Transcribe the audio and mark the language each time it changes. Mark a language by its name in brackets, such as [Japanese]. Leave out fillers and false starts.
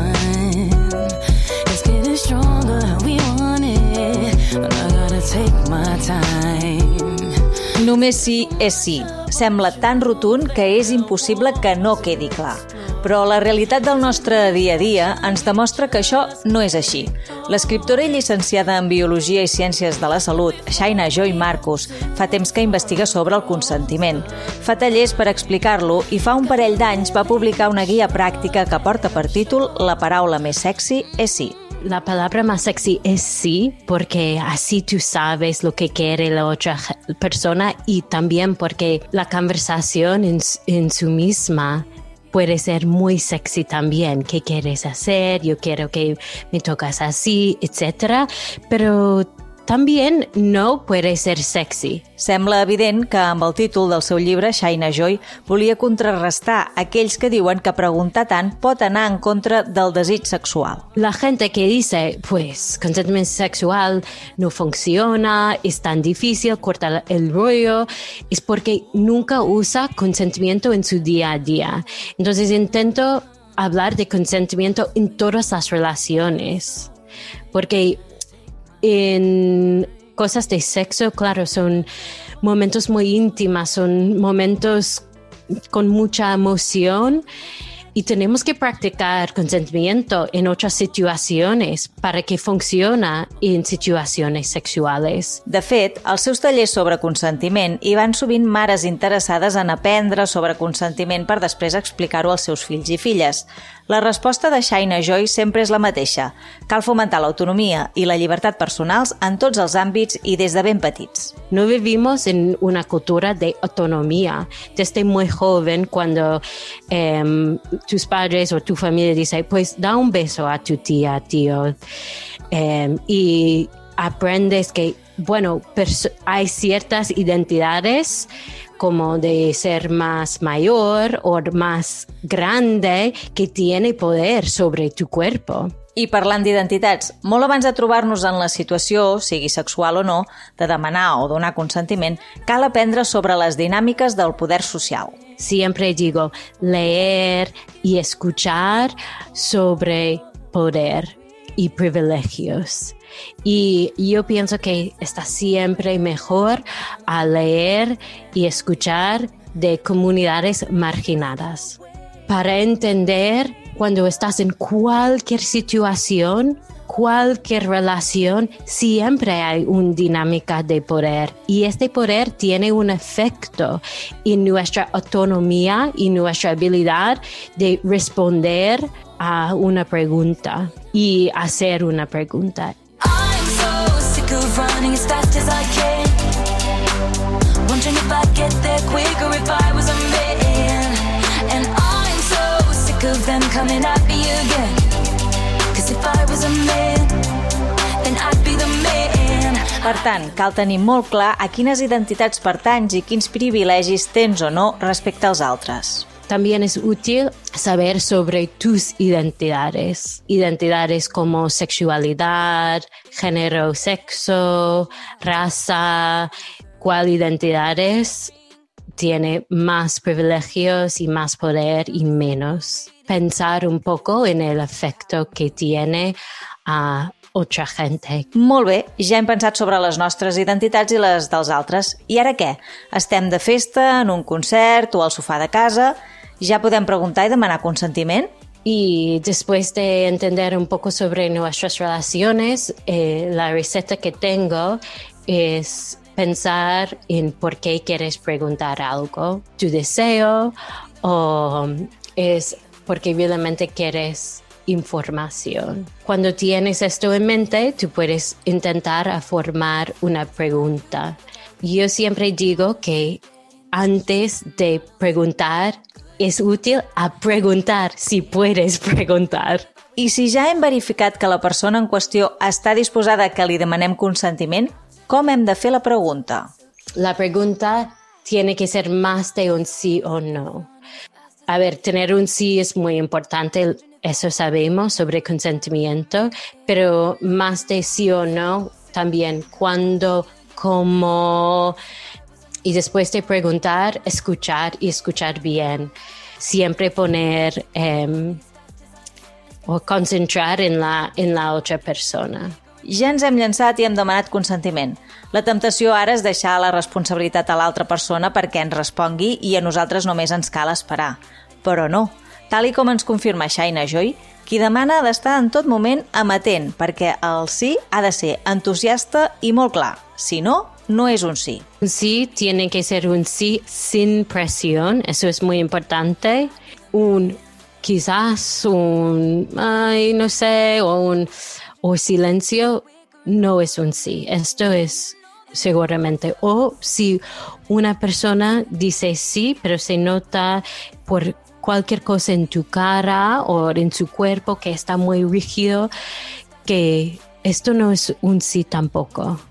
[English] It's getting stronger, we want it, but I gotta take my time. [Catalan] Només sí és sí. Sembla tan rotund que és impossible que no quedi clar. Però la realitat del nostre dia a dia ens demostra que això no és així. L'escriptora i llicenciada en Biologia i Ciències de la Salut, Shaina Joy Marcus, fa temps que investiga sobre el consentiment. Fa tallers per explicar-lo i fa un parell d'anys va publicar una guia pràctica que porta per títol La paraula més sexy és sí. [Spanish] La palabra más sexy es sí, porque así tú sabes lo que quiere la otra persona y también porque la conversación en su misma puede ser muy sexy también. ¿Qué quieres hacer? Yo quiero que me toques así, etc. Pero también no puede ser sexy. [Catalan] Sembla evident que amb el títol del seu llibre, Shaina Joy, volia contrarrestar aquells que diuen que preguntar tant pot anar en contra del desig sexual. [Spanish] La gente que dice, pues, consentimiento sexual no funciona, es tan difícil, corta el rollo, es porque nunca usa consentimiento en su día a día. Entonces intento hablar de consentimiento en todas las relaciones, porque en cosas de sexo, claro, son momentos muy íntimas, son momentos con mucha emoción y tenemos que practicar consentimiento en otras situaciones para que funcione en situaciones sexuales. [Catalan] De fet, els seus tallers sobre consentiment hi van sovint mares interessades en aprendre sobre consentiment per després explicar-ho als seus fills i filles. La resposta de Shaina Joy sempre és la mateixa. Cal fomentar l'autonomia i la llibertat personals en tots els àmbits i des de ben petits. [Spanish] No vivimos en una cultura de autonomía. Desde muy joven, cuando tus padres o tu familia dicen, pues da un beso a tu tía, tío, y aprendes que, bueno, hay ciertas identidades como de ser más mayor o más grande que tiene poder sobre tu cuerpo. [Catalan] I parlant d'identitats, molt abans de trobar-nos en la situació, sigui sexual o no, de demanar o donar consentiment, cal aprendre sobre les dinàmiques del poder social. [Spanish] Siempre digo leer y escuchar sobre poder y privilegios. Y yo pienso que está siempre mejor a leer y escuchar de comunidades marginadas. Para entender, cuando estás en cualquier situación, cualquier relación, siempre hay una dinámica de poder. Y este poder tiene un efecto en nuestra autonomía y nuestra habilidad de responder a una pregunta y hacer una pregunta. [English] I'm so sick of running as fast as I can, wondering if I'd get there quicker if I was a man. And I'm so sick of them coming at me again, 'cause if I was a man, then I'd be the man. [Catalan] Per tant, cal tenir molt clar a quines identitats pertanys i quins privilegis tens o no respecte als altres. [Spanish] También es útil saber sobre tus identidades. Identidades como sexualidad, género, sexo, raza, cuál identidades tiene más privilegios y más poder y menos. Pensar un poco en el efecto que tiene a otra gente. [Catalan] Molt bé, ja hem pensat sobre les nostres identitats i les dels altres. I ara què? Estem de festa, en un concert o al sofà de casa? [Spanish] ¿Ya podemos preguntar y demandar consentimiento? Y después de entender un poco sobre nuestras relaciones, la receta que tengo es pensar en por qué quieres preguntar algo, tu deseo, o es porque realmente quieres información. Cuando tienes esto en mente, tú puedes intentar formar una pregunta. Yo siempre digo que antes de preguntar, es útil a preguntar si puedes preguntar. [Catalan] I si ja hem verificat que la persona en qüestió està disposada que li demanem consentiment, com hem de fer la pregunta? [Spanish] La pregunta tiene que ser más de un sí o no. A ver, tener un sí es muy importante, eso sabemos sobre consentimiento, pero más de sí o no también, cuándo, cómo. Y después de preguntar, escuchar y escuchar bien. Siempre poner o concentrar en la otra persona. [Catalan] Ja ens hem llançat i hem demanat consentiment. La temptació ara és deixar la responsabilitat a l'altra persona perquè ens respongui i a nosaltres només ens cal esperar. Però no. Tal i com ens confirma Shaina Joy, qui demana ha d'estar en tot moment amatent, perquè el sí ha de ser entusiasta i molt clar. Si no, no és un sí. [Spanish] Un sí tiene que ser un sí sin presión, eso es muy importante. Un quizás, un ay, no sé, o un o silencio no es un sí. Esto es seguramente. O si una persona dice sí, pero se nota por cualquier cosa en tu cara o en su cuerpo que está muy rígido, que esto no es un sí tampoco.